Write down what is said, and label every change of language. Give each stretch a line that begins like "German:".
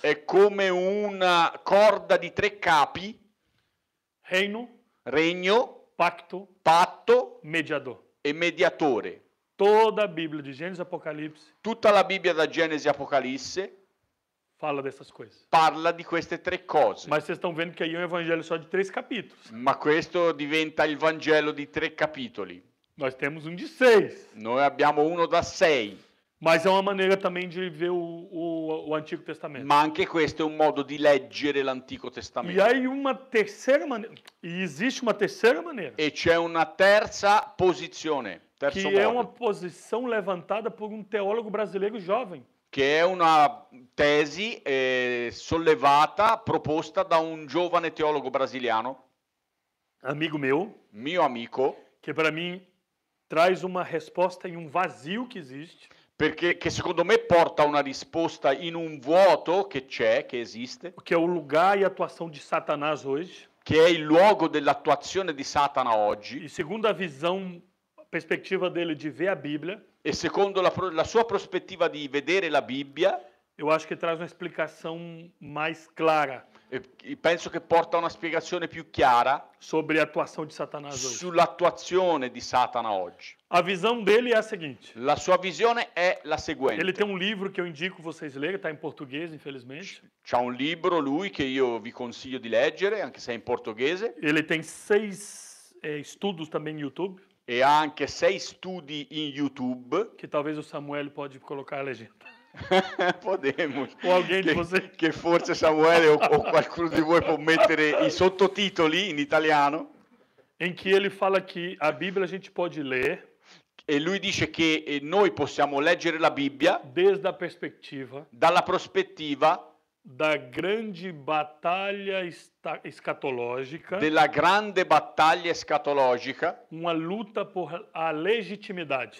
Italian: È come una corda di tre capi.
Portuguese: Reino,
Italian: regno,
Portuguese: pacto,
Italian: patto,
Portuguese: mediador.
Italian: E mediatore.
Portuguese: Toda a Bíblia de Gênesis e Apocalipse.
Italian: Tutta la Bibbia da Genesi Apocalisse
Portuguese: fala dessas coisas.
Italian: Parla di queste tre cose.
Portuguese: Mas vocês estão vendo que aí é um evangelho só de três capítulos.
Italian: Ma questo diventa il Vangelo di tre capitoli.
Portuguese: Nós temos um de seis.
Italian: Noi abbiamo uno da sei.
Portuguese: Mas é uma maneira também de ver o Antigo Testamento.
Italian: Ma anche questo è un modo di leggere l'Antico Testamento.
Portuguese: E aí uma terceira maneira. E existe uma terceira maneira.
Italian: E c'è una terza posizione. Terzo che modo.
Portuguese: È uma posição levantada por um teólogo brasileiro jovem.
Italian: Che è una tesi sollevata, proposta da un giovane teologo brasiliano.
Portuguese: Amigo meu.
Italian: Mio amico. Che per me
Portuguese: traz uma resposta
Italian: in un
Portuguese: vazio
Italian: che esiste. Perché che secondo me porta una risposta in un vuoto che c'è, che esiste. Che è il luogo e l'attuazione di Satana oggi. Che è il luogo dell'attuazione di Satana oggi. E secondo la visione,
Portuguese: perspectiva dele
Italian: di vedere la Bibbia. E secondo la sua prospettiva di vedere la Bibbia. Io
Portuguese: acho
Italian: che
Portuguese: traz
Italian: una spiegazione più clara. E penso che porta una spiegazione più chiara. Sobre l'attuazione di Satana oggi. Sull'attuazione di Satana oggi.
Portuguese: A visão dele é a seguinte.
Italian: La sua visione è la seguente.
Portuguese: Ele tem um livro que eu indico vocês lerem, está em português, infelizmente.
Italian: C'ha un libro lui che io vi consiglio di leggere, anche se è in portoghese.
Portuguese: Ele tem seis estudos também no YouTube.
Italian: E ha anche sei studi in YouTube.
Portuguese: Que talvez o Samuel pode colocar a legenda. Podemos. Ou alguém de vocês.
Italian: Que forse Samuel ou qualcuno di voi può mettere i sottotitoli in italiano.
Portuguese: Em que ele fala que a Bíblia a gente pode ler.
Italian: E lui dice che noi possiamo leggere la Bibbia
Portuguese: desde a perspectiva,
Italian: dalla prospettiva da grande battaglia escatológica, della grande battaglia escatológica, una lotta per la legittimità.